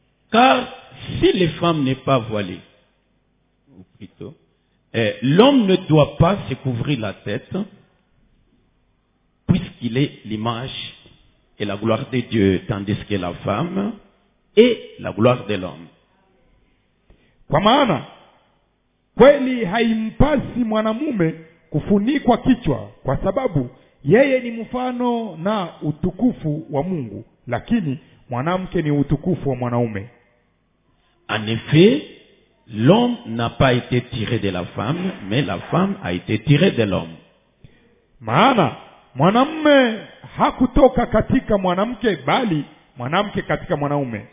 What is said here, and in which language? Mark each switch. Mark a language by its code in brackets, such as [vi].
[fr] Car si les femmes n'est pas voilée, ou plutôt, l'homme ne doit pas se couvrir la tête, puisqu'il est l'image et la gloire de Dieu, tandis que la femme et la gloire de l'homme. [sw] Kwa maana, kweli haimpasi mwanamume kufunikwa kichwa, kwa sababu yeye ni mfano na utukufu wa Mungu, lakini mwanamke ni utukufu wa mwanamume. [fr] En effet, l'homme n'a pas été tiré de la femme, mais la femme a été tirée de l'homme. [sw] Maana, mwanamume hakutoka katika mwanamke, bali mwanamke katika mwanaume.